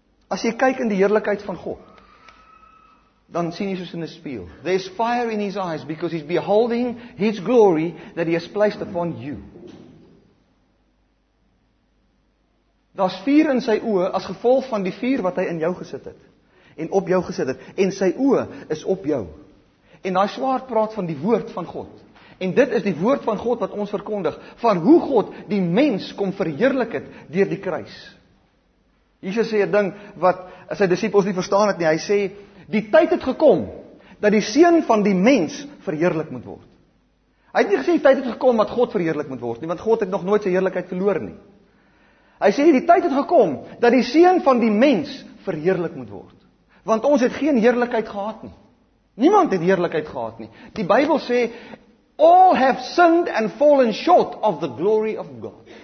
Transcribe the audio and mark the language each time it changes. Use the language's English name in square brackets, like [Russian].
[Afrikaans] As jy kyk in die heerlikheid van God, dan sien jy soos in 'n spieël. [English] There's fire in his eyes because he's beholding his glory that he has placed upon you. [Afrikaans] Daar's vuur in sy oë as gevolg van die vuur wat hy in jou gesit het en op jou gesit het en sy oë is op jou. En daai swaard praat van die woord van God. En dit is die woord van God wat ons verkondig van hoe God die mens kom verheerlik het deur die kruis. Jesus sê 'n ding wat sy disippels nie verstaan het nie. Hy sê die tyd het gekom dat die seun van die mens verheerlik moet word. Hy het nie gesê die tyd het gekom dat God verheerlik moet word nie, want God het nog nooit sy heerlikheid verloor nie. Hy sê die tyd het gekom dat die seun van die mens verheerlik moet word. Want ons het geen heerlikheid gehad nie. Niemand het heerlikheid gehad nie. [English] Die Bybel sê, all have sinned and fallen short of the glory of God.